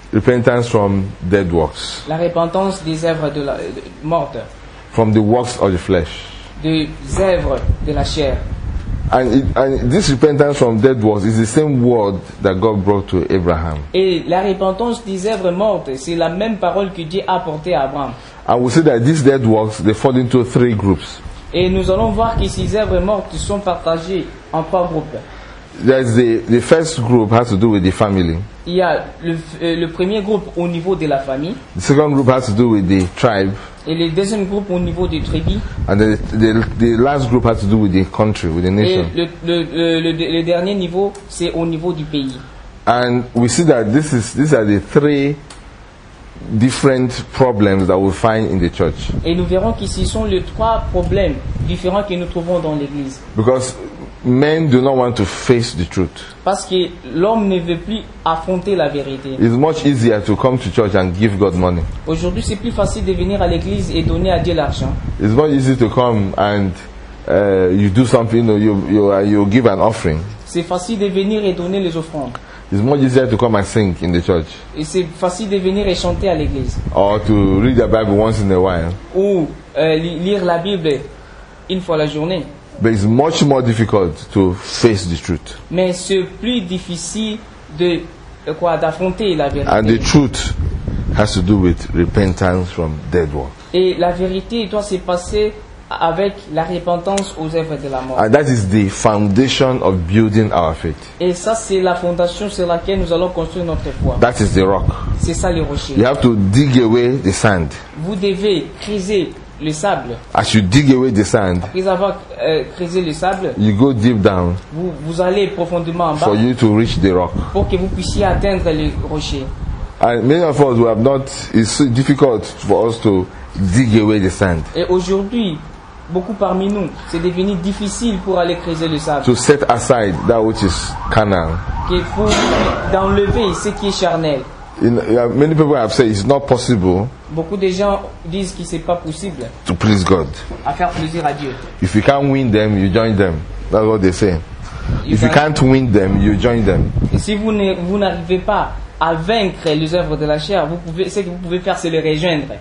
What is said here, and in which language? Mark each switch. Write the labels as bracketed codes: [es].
[en] Repentance from dead works. [fr] La repentance des œuvres de la morte. [en] From the works of the flesh. [fr] Des œuvres de la chair. [en] And this repentance from dead works is the same word that God brought to Abraham. [fr] Et la repentance des œuvres mortes, c'est la même parole que Dieu a portée à Abraham. [en] And we see that these dead works, they fall into three groups. [fr] Et nous allons voir que ces œuvres mortes sont partagées en trois groupes. [en] The first group has to do with the family. [fr] Il y a le premier groupe au niveau de la famille. [en] The second group has to do with the tribe. [fr] Et le deuxième groupe au niveau des tribus. [en] And the last group has to do with the country, with the nation. [fr] Et le dernier niveau, c'est au niveau du pays. [en] And we see that these are the three different problems that we find in the church. [fr] Et nous verrons que ce sont les trois problèmes différents que nous trouvons dans l'église. [en] Because men do not want to face the truth. [fr] Parce que l'homme ne veut plus affronter la vérité. [en] It's much easier to come to church and give God money. [fr] Aujourd'hui, c'est plus facile de venir à l'église et donner à Dieu l'argent. [en] It's much easier to come and you do something, you know, you give an offering. [fr] C'est facile de venir et donner les offrandes. [en] It's more easier to come and sing in the church. [fr] Et c'est facile de venir et chanter à l'église. [en] Or to read the Bible once in a while. [fr] Ou lire la Bible une fois la journée. [en] But it's much more difficult to face the truth. [fr] Mais c'est plus difficile de quoi d'affronter la vérité. [en] And the truth has to do with repentance from dead works. [fr] Et la vérité doit se passer avec la repentance aux œuvres de la mort. [en] And that is the foundation of building our faith. [fr] Et ça c'est la fondation sur laquelle nous allons construire notre foi. [en] That is the rock. [fr] C'est ça le rocher. [en] You have to dig away the sand. [fr] Vous devez creuser le sable. [en] As you dig away the sand, [fr] après avoir creusé le sable, [en] you go deep down. [fr] Vous allez profondément en bas. [en] For you to reach the rock. [fr] Pour que vous puissiez atteindre le rocher. [en] And many of us we have not. It's so difficult for us to dig away the sand. [fr] Et aujourd'hui, beaucoup parmi nous, c'est devenu difficile pour aller creuser le sable. [en] To set aside that which is carnal. [fr] Qu'il faut d'enlever ce qui est charnel. [en] Many people have said it's not possible. [fr] Beaucoup de gens disent que c'est pas possible. [en] To please God. [fr] À faire plaisir à Dieu. [en] If you can't win them, you join them. That's what they say. If you can't win them, you join them. [fr] Et si vous n'arrivez pas à vaincre les œuvres de la chair, ce que vous pouvez faire, c'est les rejoindre.